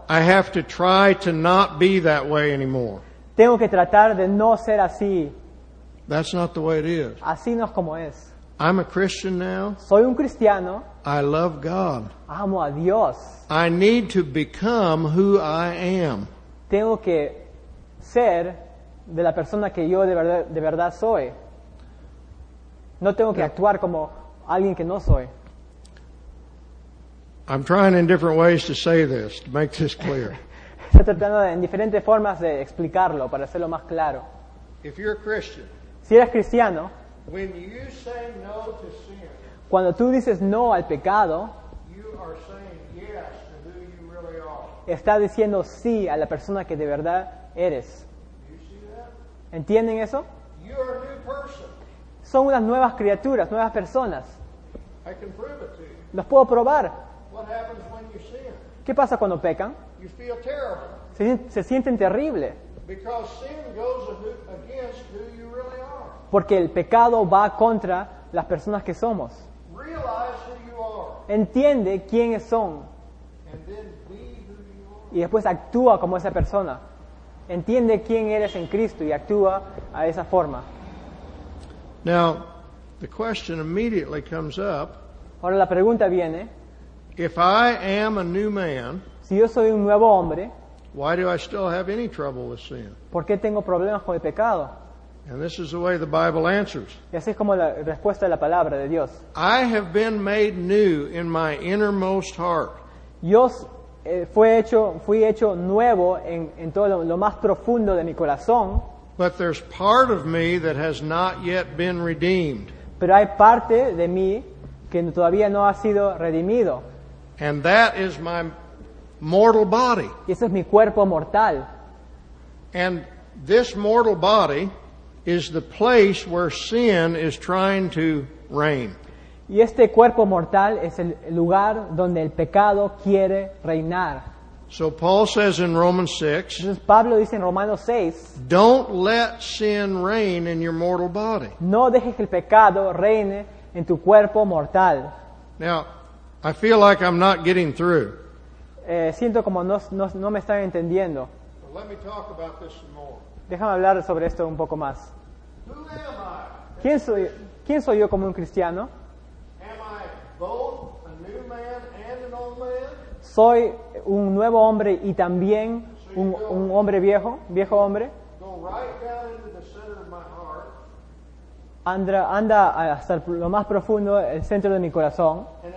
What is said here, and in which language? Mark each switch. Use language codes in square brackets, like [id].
[en] I have to try to not be that way anymore. [es] Tengo que tratar de no ser así. [en] That's not the way it is. [es] Así no es como es. [en] I'm a Christian now. [es] Soy un cristiano. [en] I love God. [es] Amo a Dios. [en] I need to become who I am. [es] Tengo que ser de la persona que yo de verdad soy. No tengo que actuar como alguien que no soy. [en] I'm trying in different ways to say this, to make this clear. [es] Estoy tratando en diferentes formas de explicarlo para hacerlo más claro. [en] If you're a Christian, [es] si eres cristiano, [en] when you say no to sin, [es] cuando tú dices no al pecado, [en] you are saying yes to who you really are. [es] Estás diciendo sí a la persona que de verdad eres. [en] You see that? [es] ¿Entienden eso? [en] You're a new person. [es] Son unas nuevas criaturas, nuevas personas. [en] I can prove it to you. [es] Los puedo probar. [en] What happens when you sin? [es] ¿Qué pasa cuando pecan? [en] You feel terrible. [es] Se sienten terrible. [en] Because sin goes against who you really are. [es] Porque el pecado va contra las personas que somos. [en] Realize who you are. [es] Entiende quiénes son. [en] And then be who you are. [es] Y después actúa como esa persona. Entiende quién eres en Cristo y actúa a esa forma. [en] Now, the question immediately comes up. [es] Ahora la pregunta viene. [en] If I am a new man, [es] si yo soy un nuevo hombre, [en] why do I still have any trouble with sin? [es] ¿Por qué tengo problemas con el pecado? [en] And this is the way the Bible answers. [es] Y así es como la respuesta de la palabra de Dios. [en] I have been made new in my innermost heart. [es] Yo fui hecho nuevo en todo lo más profundo de mi corazón. [en] But there's part of me that has not yet been redeemed. [es] Pero hay parte de mí que todavía no ha sido redimido. [en] And that is my mortal body. [es] Y ese es mi cuerpo mortal. [en] And this mortal body is the place where sin is trying to reign. [es] Y este cuerpo mortal es el lugar donde el pecado quiere reinar. [en] So Paul says in Romans 6, [es] entonces Pablo dice en Romanos 6, [en] don't let sin reign in your mortal body. [es] No dejes que el pecado reine en tu cuerpo mortal. [en] Now, I feel like I'm not getting through. [es] Siento como no me están entendiendo. [en] Well, let me talk about this some more. [es] Déjame hablar sobre esto un poco más. [en] Who am I? [es] ¿Quién soy yo como un cristiano? [en] Am I both a new man and an old man? [es] ¿Soy un nuevo hombre y también un hombre viejo hombre? [en] Go right down into the center of my heart. [es] Anda hasta lo más profundo, el centro de mi corazón.